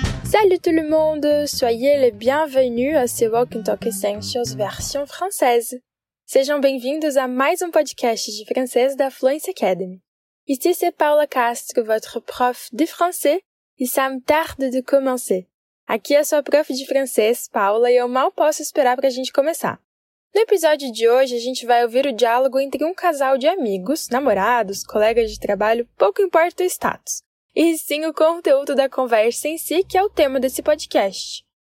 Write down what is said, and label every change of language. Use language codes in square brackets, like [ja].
[fr] Salut tout le monde, soyez les bienvenus à ce Walk and Talk Essentials version française. [pt] Sejam bem-vindos a mais um podcast de français da Fluency Academy. [fr] Ici c'est Paula Castro, votre prof de français, et ça me tarde de commencer. [pt] Aqui é sua prof de francês, Paula, e eu mal posso esperar pra gente começar. No episódio de hoje, a gente vai ouvir o diálogo entre um casal de amigos, namorados, colegas de trabalho, pouco importa o status. E sim o conteúdo da conversa em si, que é o tema desse podcast.